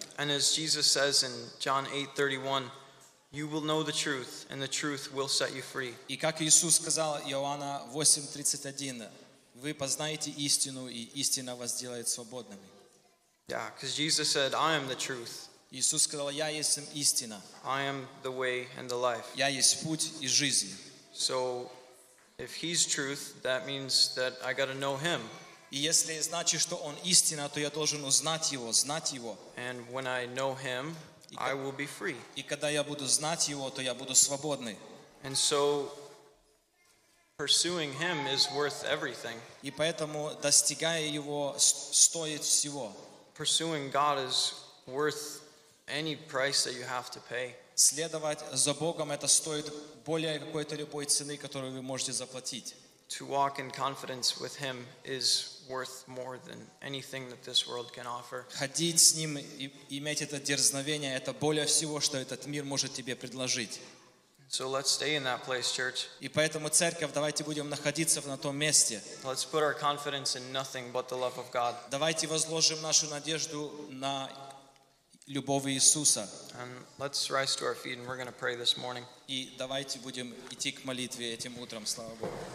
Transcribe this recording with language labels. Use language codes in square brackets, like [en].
[en] And as Jesus says in John 8:31, you will know the truth, and the truth will set you free. [ru] И как Иисус сказал Иоанна 8:31, вы познаете истину, и истина вас сделает свободными. [en] Yeah, because Jesus said, "I am the truth." [ru] Иисус сказал, я есть истина. [en] I am the way and the life. [ru] Я есть путь и жизнь. [en] So, if He's truth, that means that I got to know Him. [ru] И если значит, что Он истина, то я должен узнать Его, знать Его. [en] And when I know Him, I will be free. [ru] И когда я буду знать Его, то я буду свободный. [en] And so, pursuing Him is worth everything. [ru] И поэтому достигая Его стоит всего. [en] Pursuing God is worth any price that you have to pay. [ru] Следовать за Богом это стоит более какой-то любой цены, которую вы можете заплатить. [en] To walk in confidence with Him is worth more than anything that this world can offer. [ru] Ходить с Ним и иметь это дерзновение это более всего, что этот мир может тебе предложить. [en] So let's stay in that place, church. [ru] И поэтому церковь, давайте будем находиться на том месте. [en] Let's put our confidence in nothing but the love of God. [ru] Давайте возложим нашу надежду на любовь Иисуса. [en] And let's rise to our feet, and we're going to pray this morning. [ru] И давайте будем идти к молитве этим утром, слава Богу.